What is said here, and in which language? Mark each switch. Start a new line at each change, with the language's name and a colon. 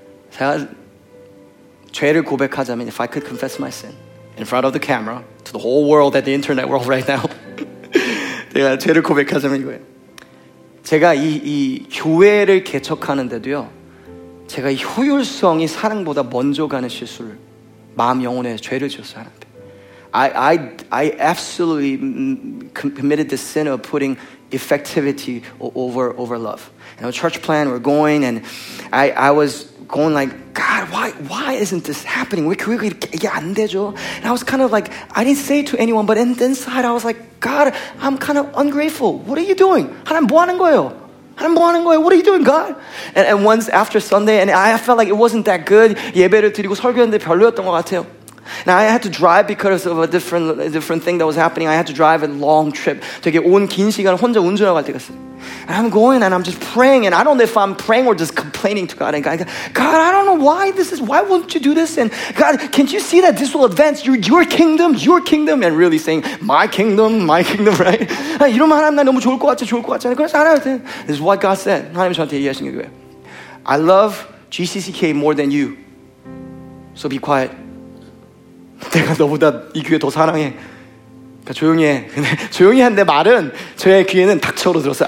Korean: 제가 죄를 고백하자면
English: if I could confess my sin in front of the camera to the whole world and the internet world right now
Korean: 제가 죄를 고백하자면 이거예요. 제가 이 교회를 개척하는데도요 제가 효율성이 사랑보다 먼저 가는 실수를 마음 영혼에 죄를 지었어요 하나님.
English: I absolutely committed the sin of putting effectivity over love. You know, church plan, we're going, and I was going like, God, why isn't this happening? Why can't it get on there? And I was kind of like, I didn't say it to anyone, but inside I was like, God, I'm kind of ungrateful. What are you doing?
Korean: 하나님 뭐 하는 거예요? 하나님 뭐 하는 거예요?
English: What are you doing, God? And once after Sunday, and I felt like it wasn't that good.
Korean: 예배를 드리고 설교했는데 별로였던 것 같아요.
English: Now I had to drive because of a different thing that was happening. I had to drive a long trip.
Korean: 되게 온 긴 시간 혼자 운전하고 갈 때가 있어요.
English: And I'm going and I'm just praying and I don't know if I'm praying or just complaining to God. And God, I don't know why this is. Why won't you do this? And God, can't you see that this will advance your kingdom, and really saying my kingdom, right?
Korean: 이러면 하나님 나 너무 좋을 것 같아. 그래서 하나님
English: This is what God said.
Korean: 하나님 저한테 얘기하신 거예요.
English: I love GCCK more than you. So be quiet.
Korean: 내가 너보다 이 교회 더 사랑해. 그러니까 조용히 해. 근데 조용히 한 내 말은 저의 귀에는 닥쳐오르 들었어요.